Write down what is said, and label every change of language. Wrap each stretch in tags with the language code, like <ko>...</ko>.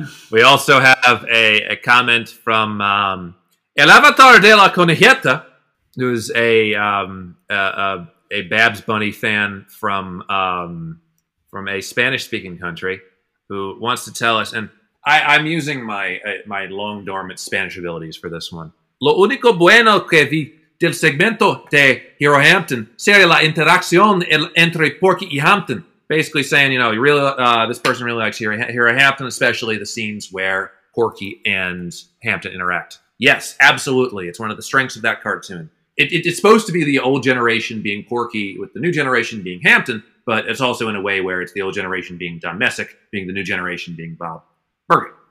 <en>We also have a comment from El Avatar de la Conejita, who's a Babs Bunny fan from a Spanish speaking country, who wants to tell us. And I'm using my long dormant Spanish abilities for this one.</en> <es>Lo único bueno que vi del segmento de Hero Hamton sería la interacción entre Porky y Hampton.</es> <en>Basically saying, this person really likes Hero Hamton, especially the scenes where Porky and Hampton interact. Yes, absolutely. It's one of the strengths of that cartoon. It's supposed to be the old generation being Porky with the new generation being Hampton, but it's also in a way where it's the old generation being Don Messick, being the new generation being Bob. Perfect.</en>